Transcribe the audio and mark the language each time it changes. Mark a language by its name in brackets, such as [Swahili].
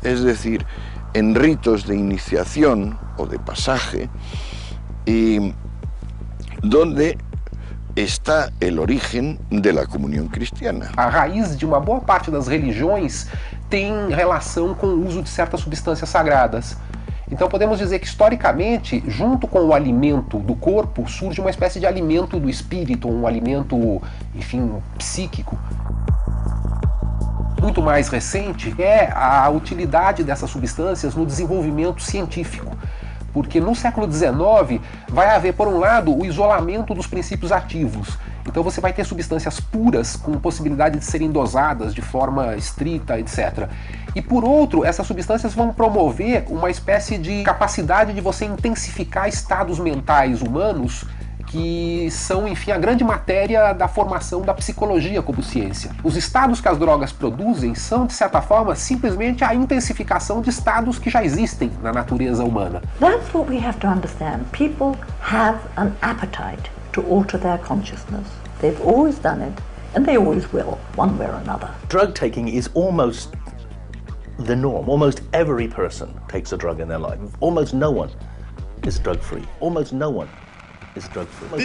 [Spanish] Es decir, en ritos de iniciación o de pasaje, y donde está el origen de la comunión cristiana. A raíz de una buena parte de las religiones tiene relación con el uso de ciertas sustancias sagradas. [Portuguese] Então podemos dizer que historicamente, junto com o alimento do corpo, surge uma espécie de alimento do espírito, um alimento, enfim, psíquico. Muito mais recente é a utilidade dessas substâncias no desenvolvimento científico. Porque no século XIX vai haver, por um lado, o isolamento dos princípios ativos. Então você vai ter substâncias puras com possibilidade de serem dosadas de forma estrita, etc. E por outro, essas substâncias vão promover uma espécie de capacidade de você intensificar estados mentais humanos que são, enfim, a grande matéria da formação da psicologia como ciência. Os estados que as drogas produzem são, de certa forma, simplesmente a intensificação de estados que já existem na natureza humana. [English] That's what we have to understand. People have an appetite to alter their consciousness. They've always done it, and they always will, one way or another. Drug taking is almost the norm. Almost every person takes a drug in their life. Almost no one is drug free. Almost no one is drug free.